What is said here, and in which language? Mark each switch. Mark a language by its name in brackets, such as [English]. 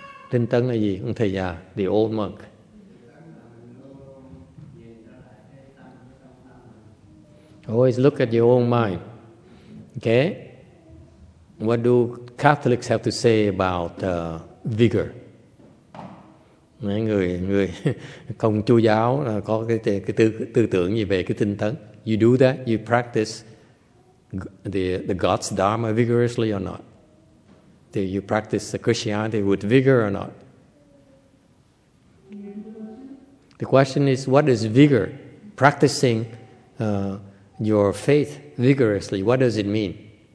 [Vietnamese] Tinh tấn là gì? Ông thầy già, [English] the old monk. Always look at your own mind. Okay. What do Catholics have to say about vigor? [Vietnamese] Người không Chúa giáo có cái tư tưởng gì về cái tinh tấn. [English] You do that, you practice the God's Dharma vigorously or not? Do you practice the Christianity with vigor or not? The question is, what is vigor? Practicing your faith vigorously, what does it mean?